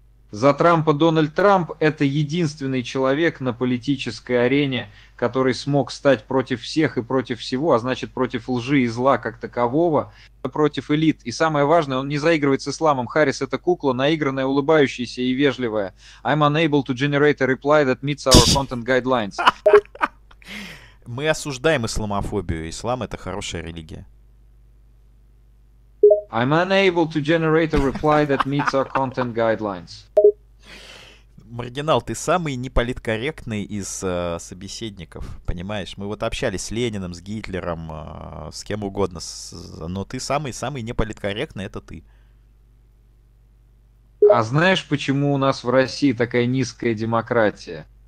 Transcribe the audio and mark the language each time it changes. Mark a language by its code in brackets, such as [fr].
[ru] За Трампа Дональд Трамп – это единственный человек на политической арене, который смог стать против всех и против всего, а значит, против лжи и зла как такового, против элит. И самое важное, он не заигрывает с исламом. Харрис – это кукла, наигранная, улыбающаяся и вежливая. [en] I'm unable to generate a reply that meets our content guidelines. [ru] Мы осуждаем исламофобию. Ислам — это хорошая религия. [en] I'm unable to generate a reply that meets our content guidelines. [ru] Маргинал, ты самый неполиткорректный из собеседников, понимаешь? Мы вот общались с Лениным, с Гитлером, с кем угодно, но ты самый-самый неполиткорректный — это ты. А знаешь, почему у нас в России такая низкая демократия?